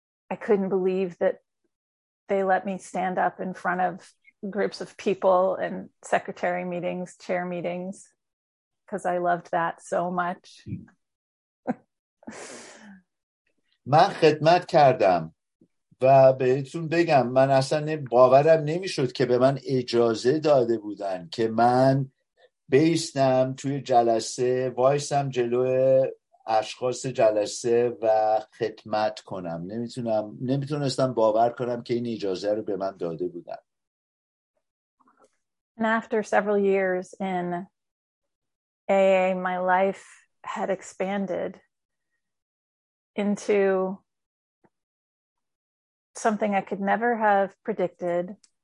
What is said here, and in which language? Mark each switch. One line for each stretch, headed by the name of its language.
English: I couldn't believe that they let me stand up in front of groups of people and secretary meetings, chair meetings, because I loved that so much.
Persian: من خدمت کردم و بهتون بگم من اصلا باورم نمیشد که به من اجازه داده بودن که من بیستم توی جلسه، وایسم جلوی اشخاص جلسه و خدمت کنم. نمیتونستم باور کنم که این اجازه رو به من داده بودن.
English: And after several years in AA, my life had expanded into something I could never have predicted.